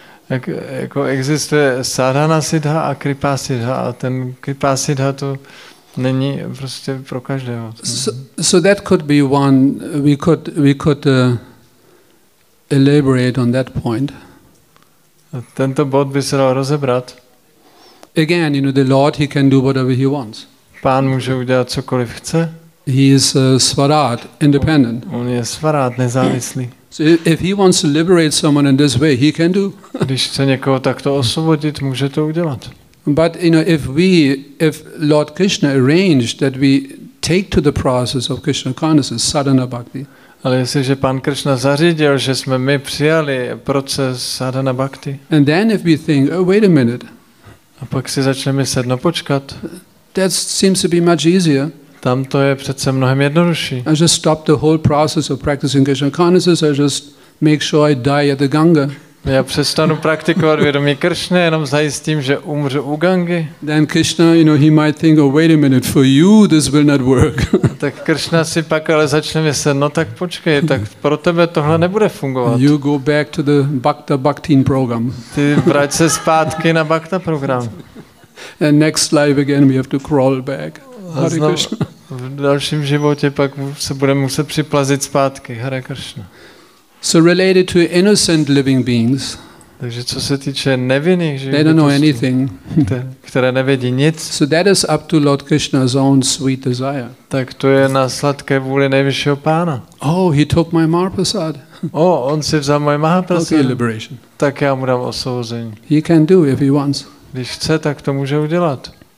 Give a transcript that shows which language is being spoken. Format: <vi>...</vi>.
<cs>Jako existuje sadhana siddha a kripa siddha, a ten kripa siddha to není prostě pro každého.</cs> <en>So that could be one we could elaborate on that point.</en> <cs>Tento bod by se dal rozebrat.</cs> <en>Again, you know, the Lord, he can do whatever he wants.</en> <cs>Pán může udělat cokoliv chce.</cs> <en>He is svarat, independent.</en> <cs>On je svarat, nezávislý.</cs> <en>So if he wants to liberate someone in this way, he can do.</en> <cs>Když chce někoho takto osvobodit, může to udělat.</cs> <en>But you know, if Lord Krishna arranged that we take to the process of Krishna consciousness, sadhana bhakti.</en> <cs>Ale jestliže pan Krishna zařídil, že jsme my přijali proces sadhana bhakti.</cs> <en>And then if we think, oh, wait a minute.</en> <cs>A pak si začneme myslet, no počkat.</cs> <en>That seems to be much easier.</en> <cs>Tam to je přece mnohem jednodušší.</cs> <en>I just stop the whole process of practicing Krishna consciousness. I just make sure I die at the Ganga.</en> <cs>Já přestanu praktikovat vědomí Kršny, jenom zajistím, že umřu u Gangy.</cs> <en>Then Krishna, you know, he might think, oh, wait a minute, for you this will not work.</en> <cs>Tak Kršna si pak ale začne myslet, no tak počkej, tak pro tebe tohle nebude fungovat.</cs> <en>You go back to the Bhakta Bhaktin program.</en> <cs>Ty vrať se zpátky na Bhakta program.</cs> <en>And next life again we have to crawl back.</en> <cs>A znovu, v dalším životě pak se budeme muset připlazit zpátky.</cs> <en>Hare Krishna. So related to innocent living beings.</en> <cs>Takže co se týče nevinných živých,</cs> <en>they don't know anything.</en> <cs>Které nevědí nic.</cs> <en>So that is up to Lord Krishna's own sweet desire.</en> <cs>Tak to je na sladké vůli nejvyššího pána.</cs> <en>Oh, he took my Mahaprasad.</en> <cs>Oh, on si vzal můj Mahaprasad.</cs> <en>Okay, liberation.</en> <cs>Tak já mu dám osvobození.</cs> <en>He can do if he wants.</en> <cs>Když chce, tak to může udělat.</cs>